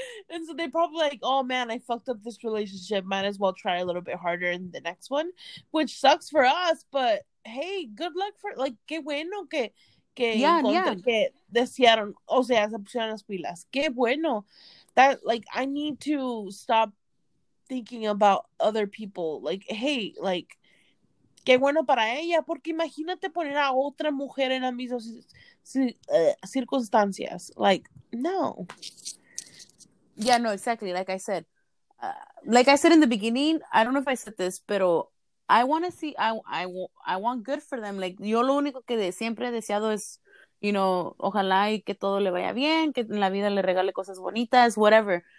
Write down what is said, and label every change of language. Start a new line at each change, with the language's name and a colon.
English: And so they probably, like, oh man, I fucked up this relationship, might as well try a little bit harder in the next one, which sucks for us, but hey, good luck for, like,
Spanish: qué bueno que desearon, o sea, se pusieron las pilas. Qué bueno.
English: That, like, I need to stop thinking about other people. Like, hey, like,
Spanish: qué bueno para ella, porque imagínate poner a otra mujer en las mismas circunstancias.
English: Like, no. Yeah, no, exactly. Like I said, in the beginning, I don't know if I said this, pero I want to see, I want good for them.
Spanish: Like, yo lo único que siempre he deseado es, you know, ojalá y que todo le vaya bien, que en la vida le regale cosas bonitas, whatever.